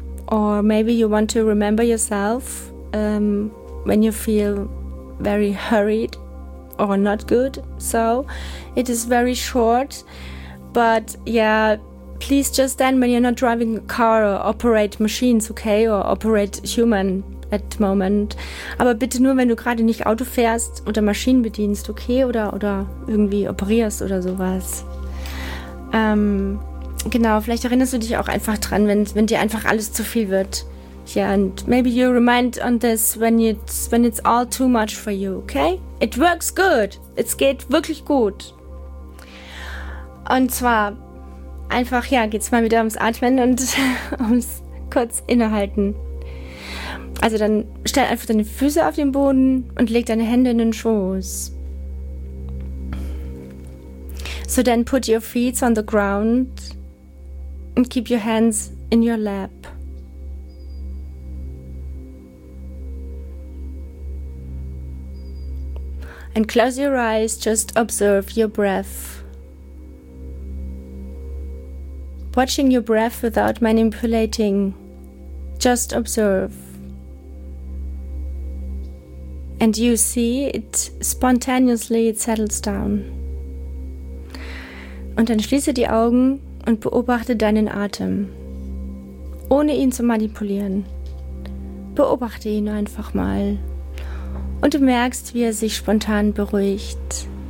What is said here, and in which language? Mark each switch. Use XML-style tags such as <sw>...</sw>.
<en>Or maybe you want to remember yourself when you feel very hurried or not good. So it is very short. But yeah, please just then, when you're not driving a car or operate machines, okay, or operate human at the moment.</en> <de>Aber bitte nur, wenn du gerade nicht Auto fährst oder Maschinen bedienst, okay, oder irgendwie operierst oder sowas. Genau, vielleicht erinnerst du dich auch einfach dran, wenn dir einfach alles zu viel wird.</de> <en>Yeah, and maybe you remind on this when it's all too much for you, okay? It works good.</en> <de>Es geht wirklich gut. Und zwar einfach, ja, geht's mal wieder ums Atmen und ums kurz innehalten. Also dann stell einfach deine Füße auf den Boden und leg deine Hände in den Schoß.</de> <en>So then put your feet on the ground and keep your hands in your lap. And close your eyes, just observe your breath. Watching your breath without manipulating, just observe. And you see it spontaneously, it settles down.</en> <de>Und dann schließe die Augen und beobachte deinen Atem, ohne ihn zu manipulieren. Beobachte ihn einfach mal und du merkst, wie er sich spontan beruhigt.</de>